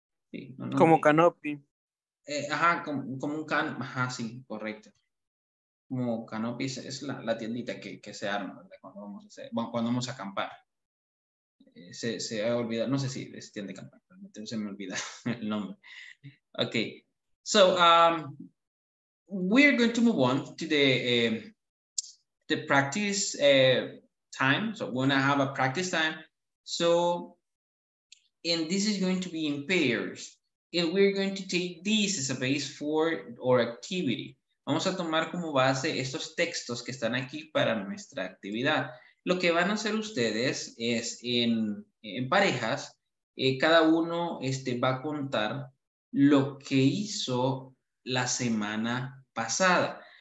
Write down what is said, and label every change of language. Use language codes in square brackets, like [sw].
[es] Sí, no, como canopy. Ajá, como un can, ajá, sí, correcto. Como canopy es la tiendita que se arma, ¿verdad? Cuando vamos a acampar. Se ha olvidado, no sé si es tienda de campaña. Se me olvida el nombre. [en] Okay, so we're going to move on to the practice time. So we're gonna have a practice time. So, and this is going to be in pairs. And we're going to take this as a base for our activity. [es] Vamos a tomar como base estos textos que están aquí para nuestra actividad. Lo que van a hacer ustedes es en parejas. Cada uno va a contar lo que hizo la semana pasada.